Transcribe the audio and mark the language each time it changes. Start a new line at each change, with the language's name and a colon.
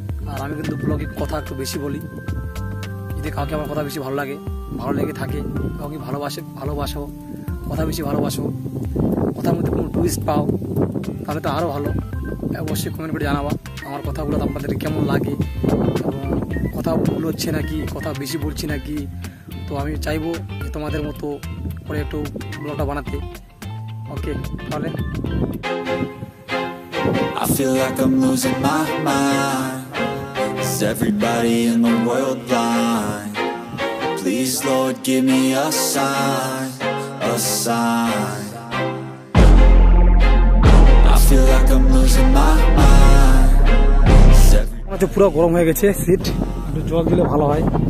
Bangla: আর আমি কিন্তু ব্লগে কথা একটু বেশি বলি, যদি কাউকে আমার কথা বেশি ভালো লাগে, ভালো লেগে থাকে, কাউকে ভালোবাসে ভালোবাসো, কথা বেশি ভালোবাসো, কথার মধ্যে কোনো টুইস্ট পাও, তাহলে তো আরও ভালো। অবশ্যই কমেন্ট করে জানাবা আমার কথাগুলো আপনাদের কেমন লাগে, এবং কথা ভুল হচ্ছে নাকি, কথা বেশি বলছি নাকি। তো আমি চাইবো যে তোমাদের মতো করে একটু ব্লগটা বানাতে।
English: Okay তাহলে, I feel like I'm losing my mind, is everybody in the world blind, please Lord give me a sign, a sign. I feel like I'm losing my mind,
Bangla: আজ পুরো গরম হয়ে গেছে সিট, একটু জল দিলে ভালো হয়।